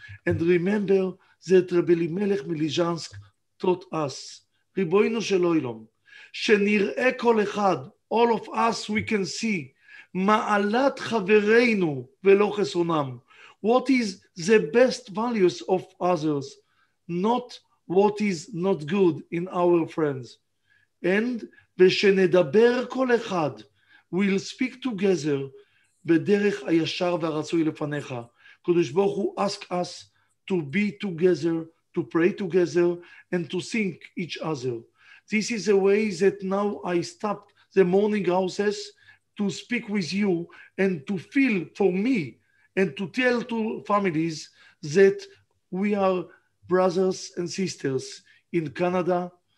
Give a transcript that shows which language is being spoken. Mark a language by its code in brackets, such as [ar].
[en] And remember that Rabbi Elimelech Melizhansk taught us, [he] Riboyinu Shel Olam, Shenir'e Kol Echad, [en] all of us we can see, [he] Ma'alat Chavereinu Velo Chesronam, [en] what is the best values of others, not what is not good in our friends. [he] And ושנדבר כל אחד, [en] we'll speak together [he] בדרך הישר והרצוי לפניך. [en] קדוש ברוך הוא ask us to be together, to pray together, and to think each other. This is a way that now I stopped the morning houses to speak with you and to feel for me and to tell to families that we are brothers and sisters in Canada.